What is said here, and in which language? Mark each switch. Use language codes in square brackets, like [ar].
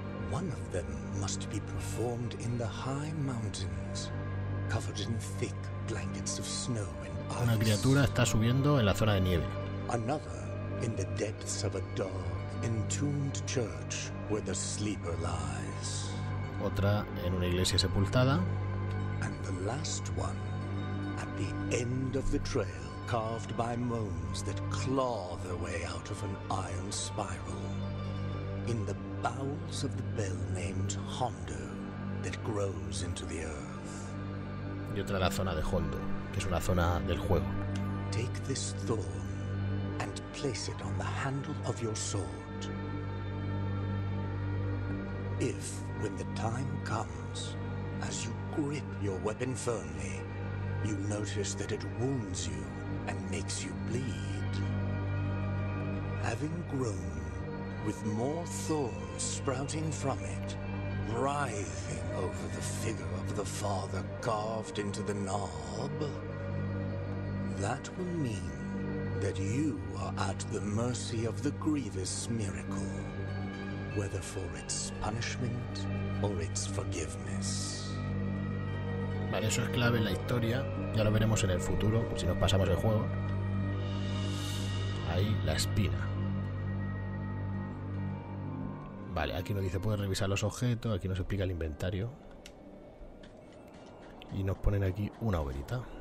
[en] One of them must be performed in the high mountains, covered in thick blankets of snow and ice. [es] Una criatura está subiendo en la zona de nieve. [en] Another in the depths of a dark, entombed church where the sleeper lies. [es] Otra en una iglesia sepultada. [en] And the last one at The end of the trail carved by moans that claw their way out of an iron spiral. In the bowels of the bell named Hondo that grows into the earth. [es] Y otra, la zona de Hondo, que es una zona del juego. [en] Take this thorn and place it on the handle of your sword. If, when the time comes, as you grip your weapon firmly, you notice that it wounds you and makes you bleed. Having grown, with more thorns sprouting from it, writhing over the figure of the father carved into the knob, that will mean that you are at the mercy of the Grievous Miracle, whether for its punishment or its forgiveness. [es] Vale, eso es clave en la historia. Ya lo veremos en el futuro, si nos pasamos el juego. Ahí, la espina. Vale, aquí nos dice, puedes revisar los objetos. Aquí nos explica el inventario. Y nos ponen aquí una hoguerita.